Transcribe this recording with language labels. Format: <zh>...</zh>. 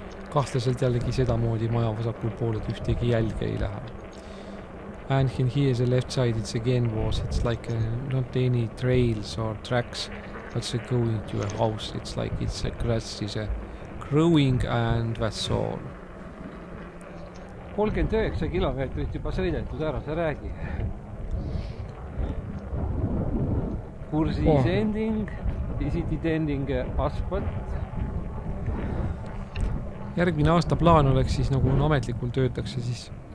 <et>Kahtlaselt jällegi seda moodi maja vasakul pooled ühtegi jälge ei lähe.</et> <en>And in here the left side it's again was, it's like a, not any trails or tracks, but it's going to a house, it's like it's a grass is a growing and that's all.</en> <et>39 kilometrit juba sõidetud ära, sa räägi.</et> <en>Kursi is ending, is it ending asphalt?</en> <et>Järgmine aasta plaan oleks siis nagu ametlikult töötakse siis.</et>